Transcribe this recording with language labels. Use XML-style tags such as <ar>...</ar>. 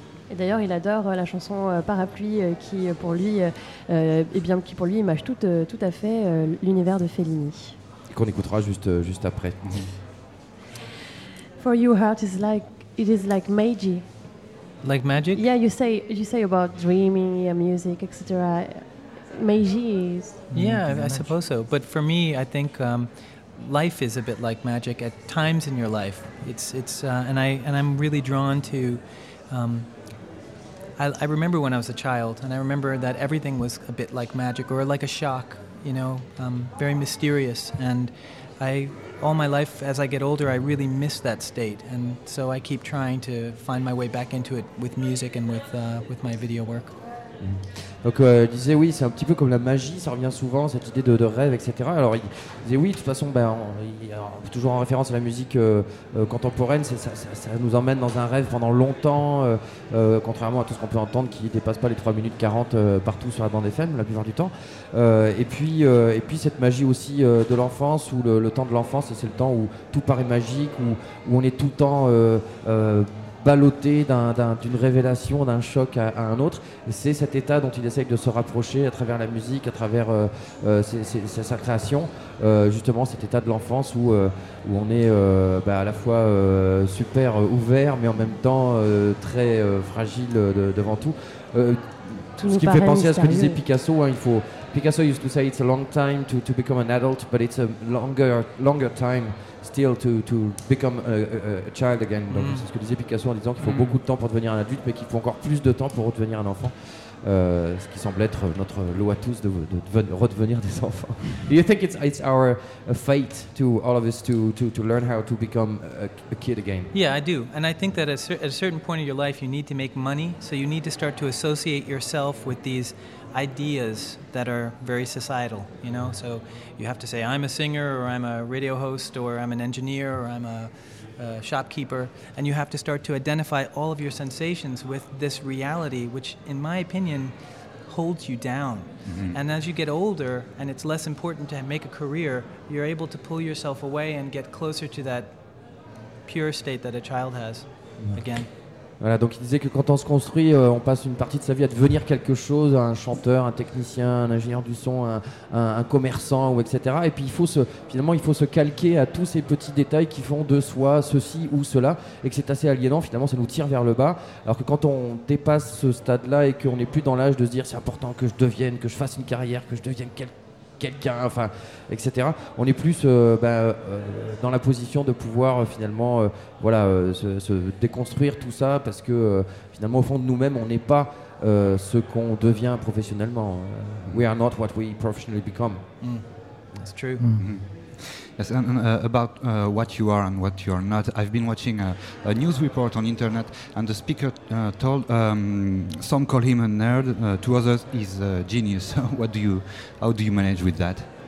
<fr>Et d'ailleurs, il adore la chanson Parapluie, qui pour lui, image tout à fait l'univers de Fellini. Qu'on écoutera juste après.</fr> <en>For you, heart is like it is like magic. Like magic? Yeah, you say about dreamy music, etc. Magic. Yeah, I suppose so. But for me, I think life is a bit like magic at times in your life. I'm really drawn to. I remember when I was a child, and I remember that everything was a bit like magic or like a shock, you know, very mysterious. And all my life, as I get older, I really miss that state. And so I keep trying to find my way back into it with music and with my video work.</en> <fr>Donc il disait oui, c'est un petit peu comme la magie, ça revient souvent, cette idée de rêve, etc. Alors il disait oui, de toute façon, toujours en référence à la musique contemporaine, ça nous emmène dans un rêve pendant longtemps, contrairement à tout ce qu'on peut entendre qui ne dépasse pas les 3 minutes 40 partout sur la bande FM la plupart du temps. Et puis cette magie aussi de l'enfance, où le temps de l'enfance, c'est le temps où tout paraît magique, où on est tout le temps... balloté d'une révélation, d'un choc à un autre. Et c'est cet état dont il essaye de se rapprocher à travers la musique, à travers sa création, justement cet état de l'enfance où on est à la fois super ouvert, mais en même temps très fragile devant tout. Tout ce qui me fait penser mystérieux. À ce que disait Picasso, hein,</fr> <en>Picasso used to say it's a long time to become an adult, but it's a longer time. Still to become a child again.</en> <fr>Donc, c'est ce que disait Picasso en disant qu'il faut beaucoup de temps pour devenir un adulte, mais qu'il faut encore plus de temps pour redevenir un enfant. ce qui semble être notre loi tous de redevenir des enfants.</fr> <en>Do you think it's our fate to all of us to learn how to become a kid again? Yeah, I do. And I think that at a certain point in your life you need to make money, so you need to start to associate yourself with these ideas that are very societal, you know? So you have to say I'm a singer or I'm a radio host or I'm an engineer or I'm a shopkeeper, and you have to start to identify all of your sensations with this reality, which in my opinion holds you down. Mm-hmm. And as you get older and it's less important to make a career, you're able to pull yourself away and get closer to that pure state that a child has. Mm-hmm. Again.</en> <fr>Voilà, donc il disait que quand on se construit, on passe une partie de sa vie à devenir quelque chose, un chanteur, un technicien, un ingénieur du son, un commerçant, ou etc. Et puis il faut se calquer à tous ces petits détails qui font de soi ceci ou cela, et que c'est assez aliénant, finalement ça nous tire vers le bas. Alors que quand on dépasse ce stade-là et qu'on n'est plus dans l'âge de se dire c'est important que je devienne, que je fasse une carrière, que je devienne quelqu'un, enfin, etc. On est plus dans la position de pouvoir se déconstruire tout ça parce que finalement au fond de nous-mêmes on n'est pas ce qu'on devient professionnellement.</fr> <en>We are not what we professionally become. Mm. That's true. Mm-hmm. Yes, and about what you are and what you are not. I've been watching a news report on internet and the speaker told some call him a nerd, to others he's a genius. How do you manage with that?</en>